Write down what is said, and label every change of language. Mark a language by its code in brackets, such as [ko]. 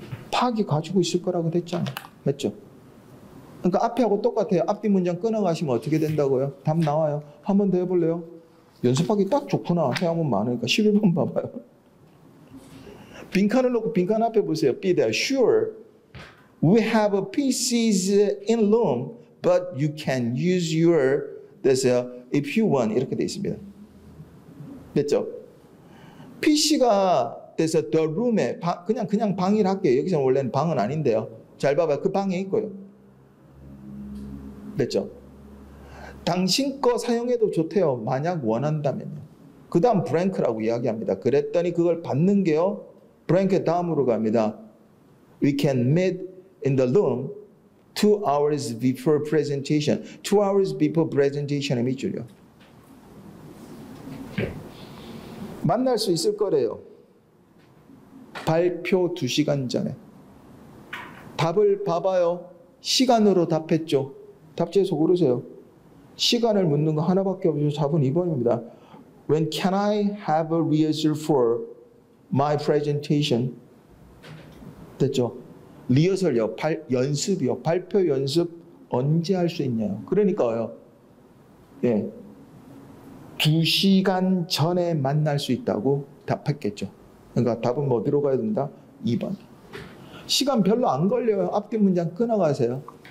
[ko] 파악이 가지고 있을 거라고 됐잖아요. 맞죠? 그러니까 앞에하고 똑같아요. 앞뒤 문장 끊어가시면 어떻게 된다고요? 답 나와요. 한 번 더 해볼래요? 연습하기 딱 좋구나. 회화문 많으니까. 11번 봐봐요. 빈칸을 놓고 빈칸 앞에 보세요. [en] Be there. Sure. We have a PCs in room, but you can use your if you want. [ko] 이렇게 돼 있습니다. 됐죠? PC가 돼서 the room에 그냥 방이라 할게요. 여기서 원래는 방은 아닌데요. 잘 봐봐요. 그 방에 있고요. 됐죠? 당신 거 사용해도 좋대요. 만약 원한다면요. 그 다음 브랭크라고 이야기합니다. 그랬더니 그걸 받는 게요. 브랭크의 다음으로 갑니다. [en] We can meet in the room 2 hours before presentation. 2 hours before presentation의 [ko] 밑줄이요. 만날 수 있을 거래요. 발표 2시간 전에. 답을 봐봐요. 시간으로 답했죠. 답지에서 고르세요. 시간을 묻는 거 하나밖에 없죠. 답은 2번입니다. [en] When can I have a rehearsal for my presentation? [ko] 됐죠? 리허설요. 연습이요. 발표 연습 언제 할 수 있냐요. 그러니까요. 예. 2시간 전에 만날 수 있다고 답했겠죠. 그러니까 답은 뭐 어디로 가야 된다? 2번. 시간 별로 안 걸려요. 앞뒤 문장 끊어가세요.